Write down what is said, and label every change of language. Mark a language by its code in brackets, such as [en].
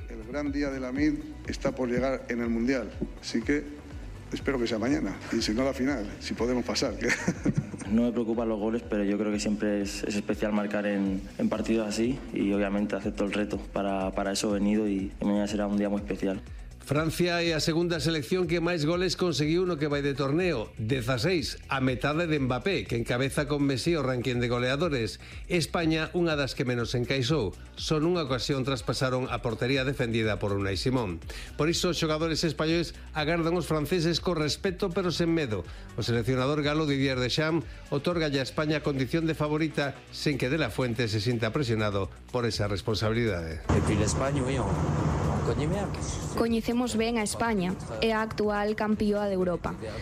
[es] El gran día de Lamine está por llegar en el Mundial, así que espero que sea mañana, y si no la final, si podemos pasar. No me preocupan los goles, pero yo creo que siempre es especial marcar en partidos así, y obviamente acepto el reto, para eso he venido, y mañana será un día muy especial. [gl] Francia é a segunda selección que máis goles conseguiu no que vai de torneo, 16, a metade de Mbappé, que encabeza con Messi o ranking de goleadores. España, unha das que menos encaixou. Son unha ocasión traspasaron a portería defendida por Unai Simón. Por iso, os xogadores españoles agardan os franceses con respeto, pero sen medo. O seleccionador galo Didier Deschamps otorga a España condición de favorita, sen que de la Fuente se sinta presionado por esa responsabilidade. E pil España, mío. Coñecemos ben a España e a actual campioa de Europa.